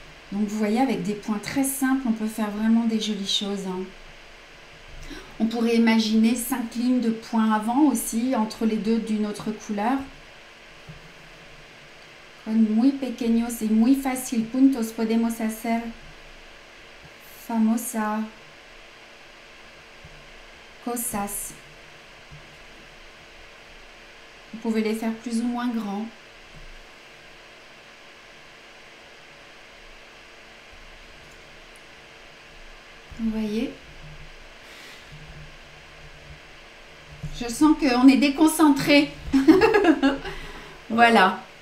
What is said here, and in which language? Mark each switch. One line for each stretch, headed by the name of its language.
French: Donc, vous voyez, avec des points très simples, on peut faire vraiment des jolies choses. Hein. On pourrait imaginer 5 lignes de points avant aussi, entre les deux d'une autre couleur.
Spanish: Con muy pequeños y muy fácil puntos podemos hacer famosa cosas.
French: Vous pouvez les faire plus ou moins grands. Vous voyez? Je sens qu'on est déconcentré. Voilà.